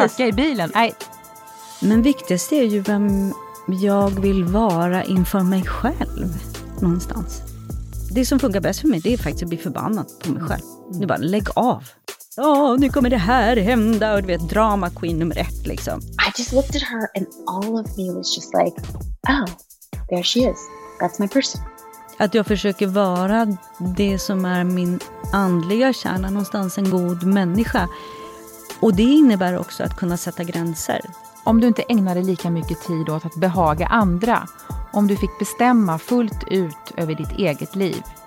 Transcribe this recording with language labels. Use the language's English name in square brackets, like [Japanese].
[Swedish] Röka i bilen. Nej. Men viktigast är ju vem jag vill vara inför mig själv någonstans. Det som funkar bäst för mig, det är faktiskt att bli förbannad på mig själv. Nu bara, lägg av. Ja, nu kommer det här hända. Och du vet, drama queen nummer ett liksom. [English] I just looked at her and all of me was just like, oh, there she is. That's my person. [Swedish] Att jag försöker vara det som är min andliga kärna, någonstans en god människa. Och det innebär också att kunna sätta gränser. Om du inte ägnade lika mycket tid åt att behaga andra, om du fick bestämma fullt ut över ditt eget liv.